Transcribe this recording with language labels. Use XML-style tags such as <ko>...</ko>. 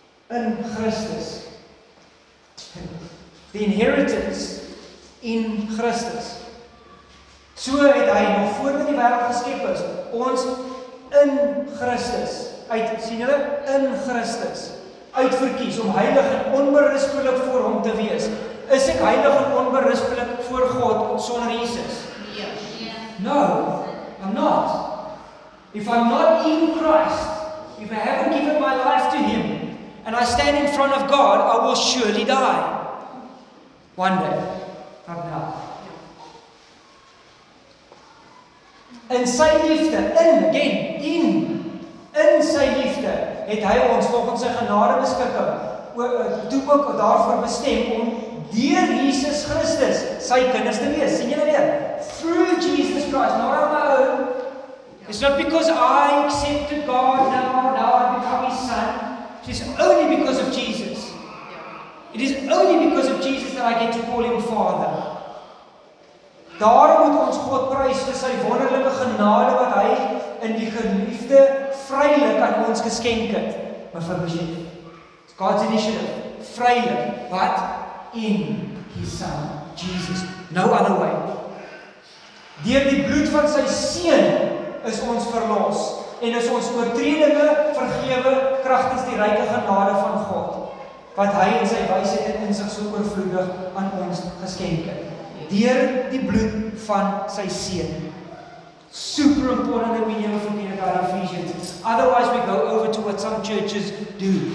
<af>In Christus.</af> <en>The inheritance in Christus.</en> <af>So het hy nog voordat die wêreld geskep is, ons in Christus. Uit, sien julle? In Christus. Uitverkies om heilig en onberispelik voor hom te wees. Is ek heilig en onberispelik voor God sonder Jesus? Nee.</af> <en>No, I'm not. If I'm not in Christ, if I haven't given my life to Him, and I stand in front of God, I will surely die. One day. Not now.</en> <af>In sy liefde, in, again, in sy liefde, het hy ons volgens sy genade beskikking toe ook daarvoor bestem om deur Jesus Christus sy kinders te wees. Sien julle weer?</af> <en>Through Jesus Christ, not on my own. It's not because I accepted God now I become His son. It is only because of Jesus. It is only because of Jesus that I get to call Him Father.</en> <af>Daarom moet ons God prys vir sy wonderlike genade wat hy in die geliefde vrylik aan ons geskenk het. My verbeelding.</af> <en>It's God's initiative. Vrylik. But in His Son, Jesus. No other way.</en> <af>Deur die bloed van sy Seun is ons verlos. En is ons oortredinge vergewe kragtens die ryke genade van God. Wat hy in sy wysheid en insig so oorvloedig aan ons geskenk het. Deur die bloed van sy Seun.</af> <en>Super important that we never forget about Ephesians. Otherwise we go over to what some churches do.</en>